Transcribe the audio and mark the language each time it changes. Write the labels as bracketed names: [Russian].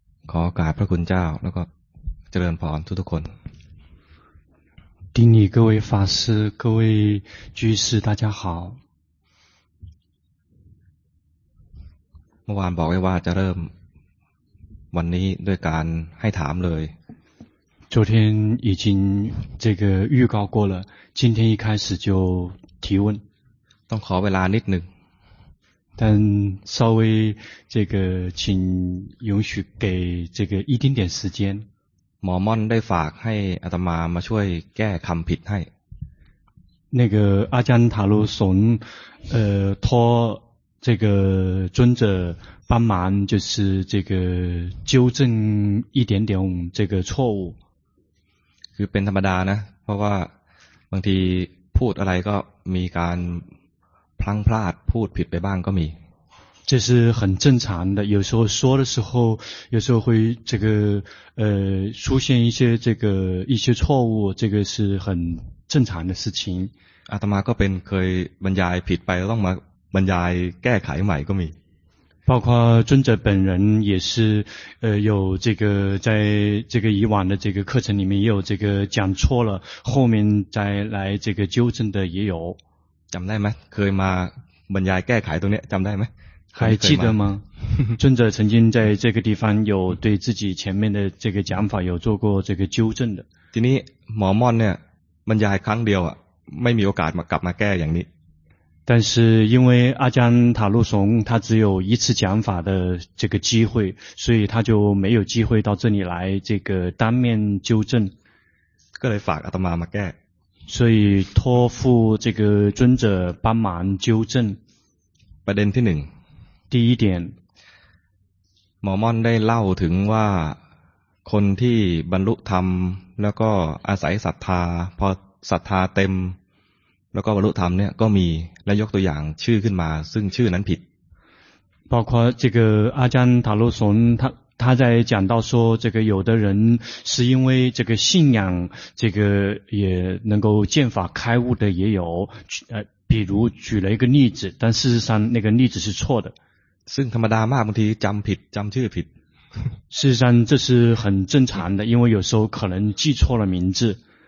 [Thai] ขอโอกาสพระคุณเจ้าแล้วก็เจริญพรทุกๆคน [Chinese] 丁尼各位法师各位居士大家好 [Thai] เมื่อวานบอกไว้ว่าจะเริ่มวันนี้ด้วยการให้ถามเลย [Chinese] 昨天已经这个预告过了今天一开始就提问 [Thai] ต้องขอเวลานิดนึง [Chinese] 但稍微这个请允许给这个一丁点时间 [Thai] หมอม่อนได้ฝากให้อาตมามาช่วยแก้คำผิดให้ [Chinese] 那个阿姜塔鲁松托这个尊者帮忙就是这个纠正一点点这个错误 [Thai] คือเป็นธรรมดานะเพราะว่าบางทีพูดอะไรก็มีการพลั้งพลาดพูดผิดไปบ้างก็มี [Chinese] 这是很正常的有时候说的时候有时候会这个出现一些这个一些错误这个是很正常的事情 [Thai] อาตมาก็เป็นเคยบรรยายผิดไปต้องมาบรรยายแก้ไขใหม่ก็มี [Chinese] 包括尊者本人也是有这个在这个以往的这个课程里面也有这个讲错了后面再来这个纠正的也有 [Thai] จำได้ไหมเคยมาบรรยายแก้ไขตรงนี้จำได้ไหม [Chinese] 还记得吗尊者曾经在这个地方有对自己前面的这个讲法有做过这个纠正的 [Thai] ทีนี้หมอม่อนเนี่ยบรรยายครั้งเดียวอ่ะไม่มีโอกาสมากลับมาแก้อย่างนี้ [Chinese] 但是因为阿姜塔鲁松他只有一次讲法的这个机会所以他就没有机会到这里来这个当面纠正 [Thai] ก็เลยฝากอาตมามาแก้ [Chinese] 所以托付这个尊者帮忙纠正 [Thai] ประเด็นที่หนึ่ง [Chinese] 第一点 [Thai] หมอม่อนได้เล่าถึงว่าคนที่บรรลุธรรมแล้วก็อาศัยศรัทธาพอศรัทธาเต็มแล้วก็บรรลุธรรมเนี่ยก็มีและยกตัวอย่างชื่อขึ้นมาซึ่งชื่อนั้นผิด [Chinese] 包括这个阿姜塔鲁松他在讲到说这个有的人是因为这个信仰这个也能够见法开悟的也有比如举了一个例子但事实上那个例子是错的 [Thai] ซึ่งธรรมดามากบางทีจำผิดจำชื่อผิด [Chinese] 事实上这是很正常的因为有时候可能记错了名字